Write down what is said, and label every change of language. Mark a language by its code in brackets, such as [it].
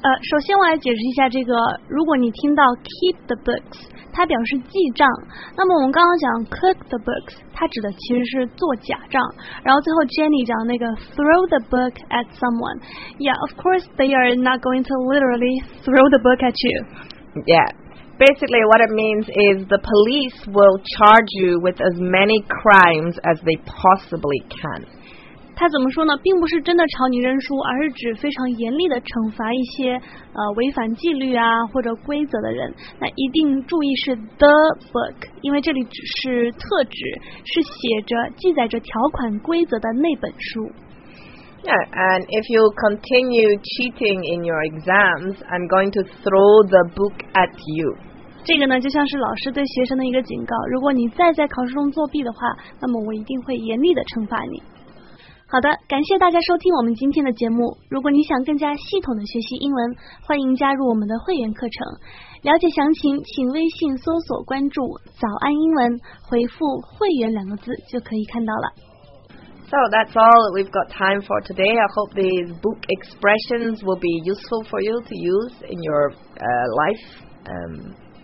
[zh] 首先我来解释一下这个，如果你听到 [en] keep the books, [zh] 它表示记账，那么我们刚刚讲 [en] cook the books, [zh] 它指的其实是做假账，然后最后 Jenny 讲那个 [en] throw the book at someone, yeah, of course they are not going to literally throw the book at you. Yeah, basically what it means is the police will charge you with as many crimes as they possibly can. [zh] 他怎么说呢？并不是真的朝你认输，而是指非常严厉的惩罚一些违反纪律啊或者规则的人。那一定注意是 the book， 因为这里只是特指，是写着记载着条款规则的那本书。 [en] Yeah, and if you continue cheating in your exams, I'm going to throw the book at you. [zh] 这个呢，就像是老师对学生的一个警告。如果你再在考试中作弊的话，那么我一定会严厉的惩罚你。好的，感谢大家收听我们今天的节目。如果你想更加系统的学习英文，欢迎加入我们的会员课程。了解详情，请微信搜索关注“早安英文”，回复“会员”两个字就可以看到了。 [en] So that's all we've got time for today. I hope these book expressions will be useful for you to use in your life.